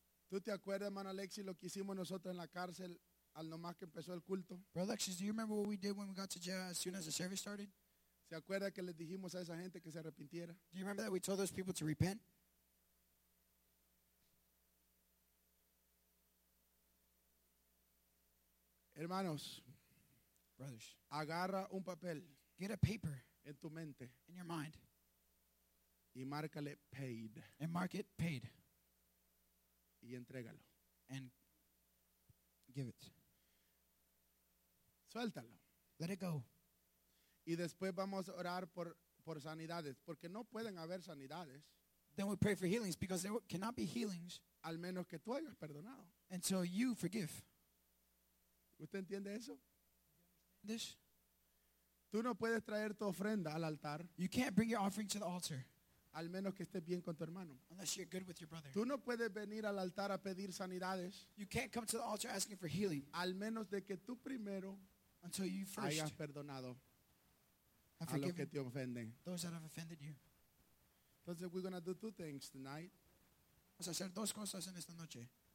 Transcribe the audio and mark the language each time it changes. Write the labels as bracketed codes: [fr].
[es] ¿Tú te acuerdas, hermano Alexis, lo que hicimos nosotros en la cárcel al nomás que empezó el culto? [en] Brother Alexis, do you remember what we did when we got to jail as soon as the service started? [es] ¿Se acuerda que les dijimos a esa gente que se arrepintiera? [en] Do you remember that we told those people to repent? [es] Hermanos. [en] Brothers. [es] Agarra un papel. [en] Get a paper. [es] En tu mente. [en] In your mind. [es] Y márcale [en] paid. And mark it paid. [es] Y entrégalo. [en] And give it. [es] Suéltalo. [en] Let it go. [es] Y después vamos a orar por sanidades. Porque no pueden haber sanidades. [en] Then we pray for healings because there cannot be healings. [es] Al menos que tú hayas perdonado. [en] Until you forgive. [es] ¿Usted entiende eso? [en] This. [es] Tú no puedes traer tu ofrenda al altar. [en] You can't bring your offering to the altar. [es] Al menos que estés bien con tu hermano. [en] Unless you're good with your brother. [es] Tú no puedes venir al altar a pedir sanidades. [en] You can't come to the altar asking for healing. [es] Al menos de que tú primero [en] until you first [es] hayas perdonado a los que te ofenden. [en] Those that have offended you. [es] Entonces, [en] we're going to do two things tonight. [es] Vamos a hacer dos cosas en esta noche.